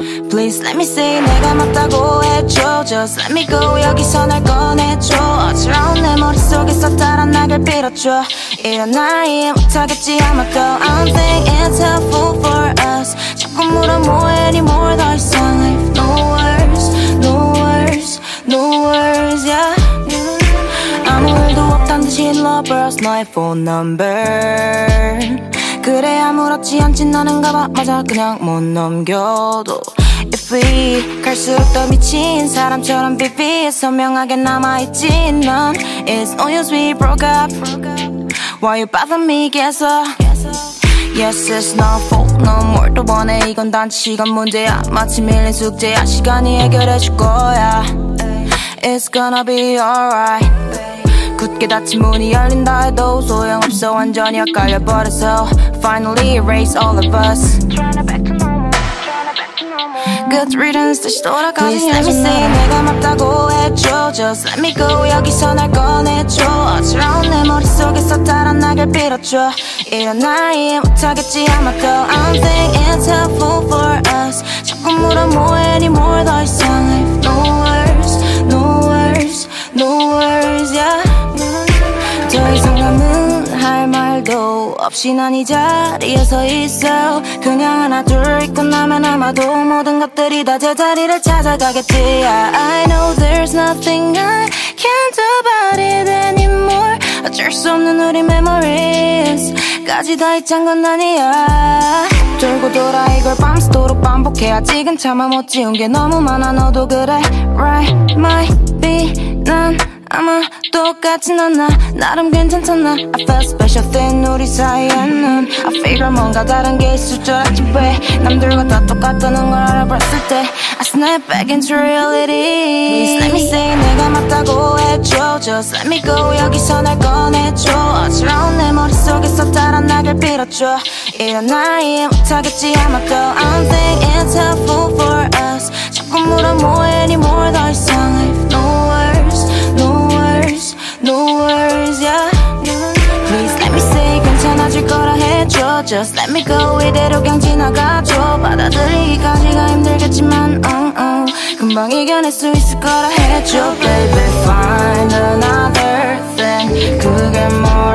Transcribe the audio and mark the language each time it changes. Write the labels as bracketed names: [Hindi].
[English] Please let me say [Korean] 내가 맞다고 해줘. [English] Just let me go [Korean] 여기서 날 꺼내줘. 어지러운 내 머릿속에서 달아나길 빌어줘. 이런 나이에 못하겠지 아마도. [English] I don't think it's helpful for us. [Korean] 자꾸 물어 뭐해 [English] anymore [Korean] 더 이상. [English] I've no words, no words, no words, yeah. [Korean] 아무 일도 없단 듯이 [English] lovers [Korean] 너의 [English] phone number. [Korean] 그래 아무렇지 않지 나는가 봐. 맞아 그냥 못 넘겨도. [English] If we [Korean] 갈수록 더 미친 사람처럼 비비해 선명하게 남아있지 넌. [English] It's no use we broke up. Why you bother me [Korean] 계속. [English] Yes it's no fault no more. [Korean] 또 원해 이건 단지 시간 문제야. 마치 밀린 숙제야. 시간이 해결해줄 거야. [English] It's gonna be alright. [Korean] 굳게 닫힌 문이 열린다 해도 소용없어. 완전히 엇갈려버렸어. [English] Finally erase all of us. Tryna back to normal. Good riddance [Korean] 다시 돌아가지. [English] Please let me say [Korean] 내가 맞다고 해줘. [English] Just let me go [Korean] 여기서 날 꺼내줘. 어지러운 내 머릿속에서 달아나길 빌어줘. 이런 나이에 못하겠지 아마도. [English] I don't think it's helpful for us. [Korean] 자꾸 물어 뭐해 [English] anymore [Korean] 더 이상. [English] I've no words, no words, no words, yeah. [Korean] 더 이상 남은 할 말도 없이 난 이 자리에서 있어. 그냥 하나 둘 있고 나면 아마도 모든 것들이 다 제자리를 찾아가겠지. [English] I know there's nothing I can't do about it anymore. [Korean] 어쩔 수 없는 우리 [English] memories [Korean] 까지 다 잊은 건 아니야. 돌고 돌아 이걸 밤새도록 반복해. 아직은 참아 못 지운 게 너무 많아. 너도 그래 [English] right might be [Korean] 난 아마 똑같진 않아. 나름 괜찮잖아. [English] I feel special thin [Korean] 우리 사이에는. [English] I figure [Korean] 뭔가 다른 게 있을 줄 알지. 왜 남들과 다 똑같다는 걸 알아봤을 때 [English] I snap back into reality. Please let me say [Korean] 내가 맞다고 해줘. [English] Just let me go [Korean] 여기서 날 꺼내줘. 어지러운 내 머릿속에서 달아나길 빌어줘. 이런 나이에 못하겠지 아마도. [English] I don't think it's helpful for us. [Korean] 자꾸 물어 뭐해 [English] anymore [Korean] 더 이상. [English] I've no words, no words, no words, yeah. Please let me say [Korean] 괜찮아질 거라 해줘. [English] Just let me go [Korean] 이대로 그냥 지나가줘. 받아들이기까지가 힘들겠지만 금방 이겨낼 수 있을 거라 해줘. [English] Baby find another thing. [Korean] 그게 뭐